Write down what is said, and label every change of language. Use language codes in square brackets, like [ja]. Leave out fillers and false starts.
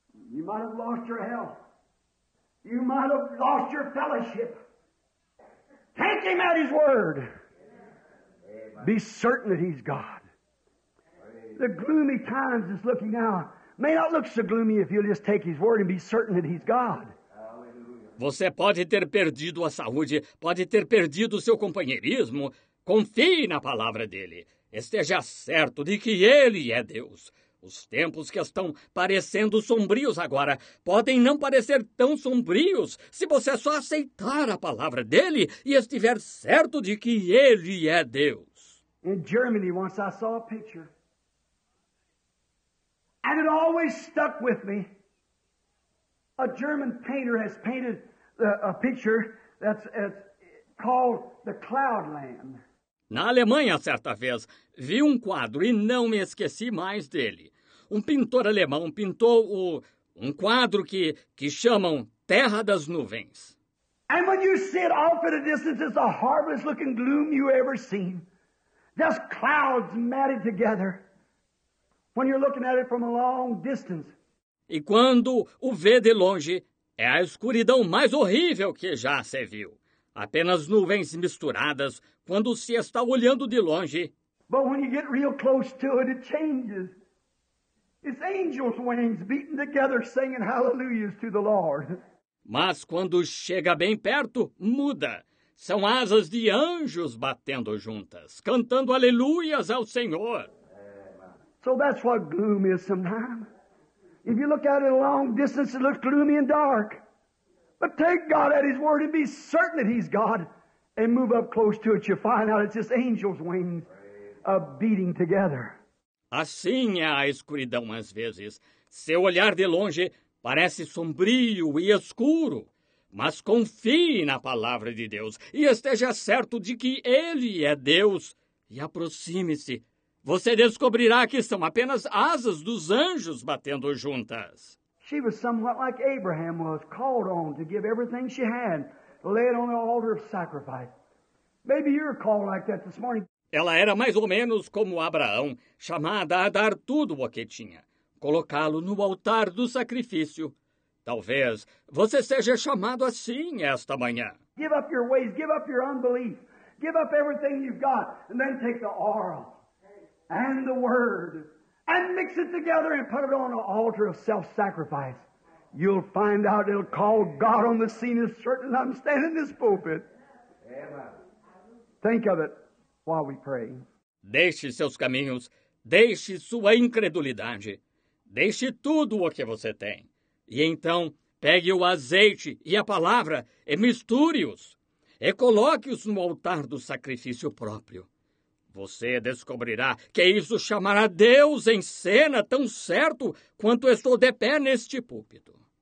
[en] You might have lost your health. You might have lost your fellowship. Take him at his word. Be certain that he's God. The gloomy times is looking now. May not look so gloomy if you'll just take his word and be certain that he's God. [pt] Você pode ter perdido a saúde, pode ter perdido o seu companheirismo. Confie na palavra dele. Esteja certo de que ele é Deus. Os tempos que estão parecendo sombrios agora podem não parecer tão sombrios se você só aceitar a palavra dele e estiver certo de que ele é Deus. [en] In Germany, once I saw a picture. And it always stuck with me. A German painter has painted a picture that's called the Cloudland. [pt] Na Alemanha, certa vez, vi um quadro e não me esqueci mais dele. Um pintor alemão pintou um quadro que chamam Terra das Nuvens. [en] And when you see it off at a distance, it's the harvest looking gloom you ever seen. Just clouds matted together. When you're looking at it from a long distance. [pt] E quando o vê de longe, é a escuridão mais horrível que já se viu. apenas nuvens misturadas quando se está olhando de longe. [en] But when you get real close to it, it changes. It's angels' wings beating together, singing hallelujahs to the Lord. [pt] Mas quando chega bem perto, muda. São asas de anjos batendo juntas, cantando aleluias ao Senhor. [en] So that's what gloom is sometimes. If you look out at a long distance, it looks gloomy and dark. But take God at His word and be certain that He's God and move up close to it. You'll find out it's just angels' wings beating together. [pt] Assim é a escuridão às vezes. Seu olhar de longe parece sombrio e escuro. Mas confie na palavra de Deus e esteja certo de que Ele é Deus. E aproxime-se. Você descobrirá que são apenas asas dos anjos batendo juntas. [en] She was somewhat like Abraham was, called on to give everything she had, laid on the altar of sacrifice. Maybe you're called like that this morning. [pt] Ela era mais ou menos como Abraão, chamada a dar tudo o que tinha, colocá-lo no altar do sacrifício. Talvez você seja chamado assim esta manhã. [en] Give up your ways, give up your unbelief, give up everything you've got, and then take the oil and the word and mix it together and put it on the altar of self-sacrifice. You'll find out it'll call God on the scene as certain as I'm standing in this pulpit. Amen. Think of it while we pray. [pt] Deixe seus caminhos, deixe sua incredulidade, deixe tudo o que você tem. E então, pegue o azeite e a palavra e misture-os. E coloque-os no altar do sacrifício próprio. Você descobrirá que isso chamará Deus em cena tão certo quanto estou de pé neste púlpito.